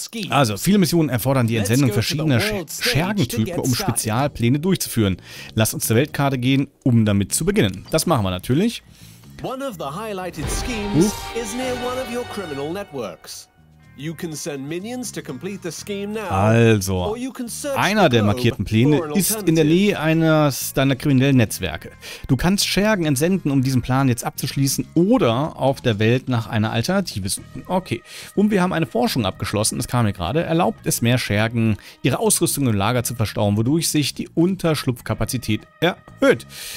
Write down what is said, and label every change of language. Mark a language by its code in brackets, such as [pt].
[de] Also, viele Missionen erfordern die Entsendung verschiedener Schergentypen, um Spezialpläne durchzuführen. Lass uns zur Weltkarte gehen, um damit zu beginnen. Das machen wir natürlich. [en] One of the highlighted schemes is near one of your criminal networks. You can send minions to complete the scheme now. [de] Also, einer der markierten Pläne ist in der Nähe eines deiner kriminellen Netzwerke. Du kannst Schergen entsenden, um diesen Plan jetzt abzuschließen oder auf der Welt nach einer Alternative suchen. Okay. Und wir haben eine Forschung abgeschlossen, das kam mir gerade. Erlaubt es mehr Schergen, ihre Ausrüstung im Lager zu verstauen, wodurch sich die Unterschlupfkapazität erhöht.